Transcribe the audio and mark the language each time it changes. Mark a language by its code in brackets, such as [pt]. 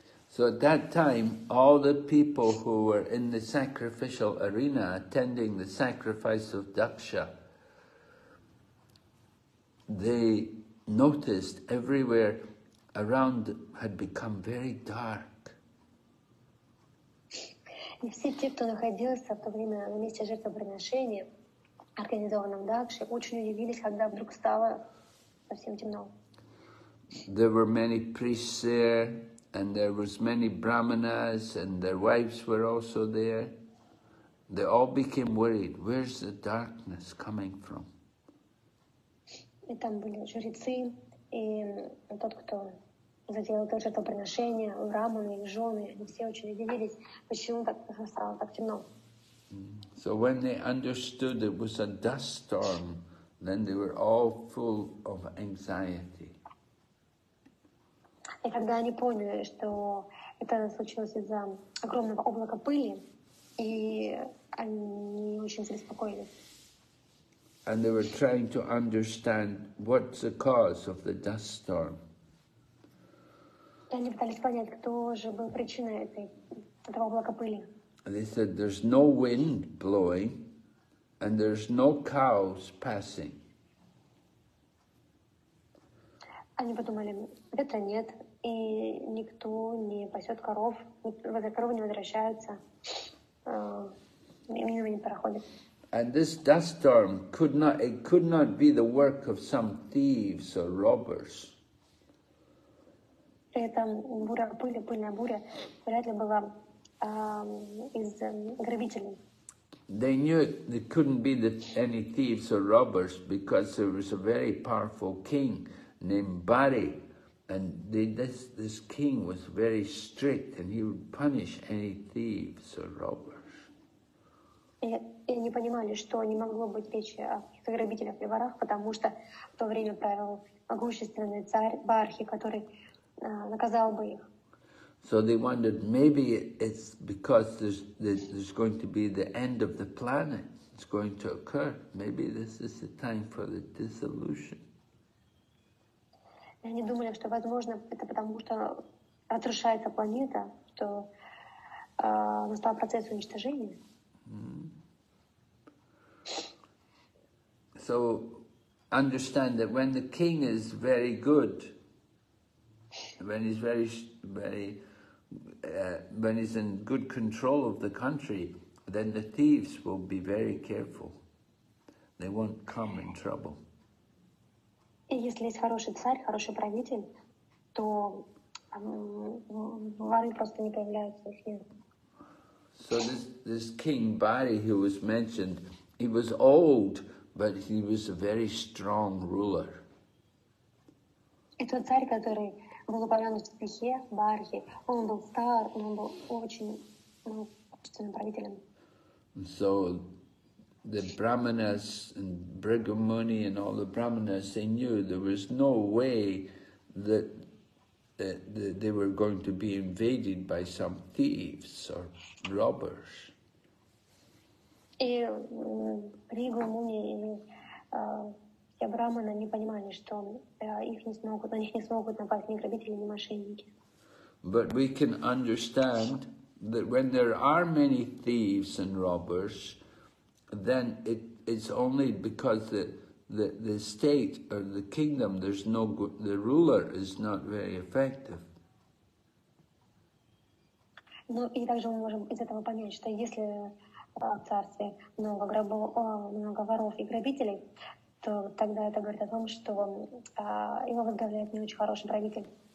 [en] So at that time, all the people who were in the sacrificial arena attending the sacrifice of Daksha, they noticed everywhere around had become very dark. [ru] И все те, кто находился в то время на месте жертвоприношения, организованном Дакше, очень удивились, когда вдруг стало совсем темно. [en] There were many priests there, and there was many brahmanas, and their wives were also there, They all became worried. Where's the darkness coming from? [ru] И там были жрецы, и тот, кто затеял это жертвоприношение, Раман и жены, они все очень удивились, почему так стало так темно. [en] So when they understood it was a dust storm, then they were all full of anxiety. [ru] И когда они поняли, что это случилось из-за огромного облака пыли, и они очень беспокоились. [en] And they were trying to understand what's the cause of the dust storm. [ru] Они пытались понять, кто же был причиной этого облака пыли. [en] And they said, "There's no wind blowing, and there's no cows passing." [ru] Они подумали, ветра нет, и никто не пасет коров, коровы не возвращаются, и мимо не проходит. [en] And this dust storm could not be the work of some thieves or robbers. [ru] Эта буря, пыльная буря, вряд ли была из грабителей. [en] They knew it couldn't be any thieves or robbers because there was a very powerful king named Bari, and this king was very strict, and he would punish any thieves or robbers. [ru] И они понимали, что не могло быть речи о каких-то грабителях и ворах, потому что в то время правил могущественный царь Бархи, который наказал бы их. [en] So they wondered, maybe it's because there's going to be the end of the planet. It's going to occur. Maybe this is the time for the dissolution. [ru] И они думали, что, возможно, это потому что разрушается планета, что настал процесс уничтожения. [en] So understand that when the king is very good, when he's when he's in good control of the country, then the thieves will be very careful. They won't come in trouble. [ru] И если есть хороший царь, хороший правитель, то воры просто не появляются. [en] So this king Bari, who was mentioned, he was old. But he was a very strong ruler. [ru] И тот царь, который был упомянут в стихе Бархи, он был стар, он был очень могущественным правителем. [en] So the brahmanas and Bhrigu Muni and all the brahmanas, they knew there was no way that they were going to be invaded by some thieves or robbers. [ru] И Бригу, Муни и Абрамана не понимали, что на них не смогут напасть ни грабители, ни мошенники. [en] But we can understand that when there are many thieves and robbers, then it's only because the state or the kingdom, there's no good, the ruler is not very effective. [ru] Ну и также мы можем из этого понять, что если в царстве много грабов, много воров и грабителей, то тогда это говорит о том, что его возглавляет не очень хороший правитель.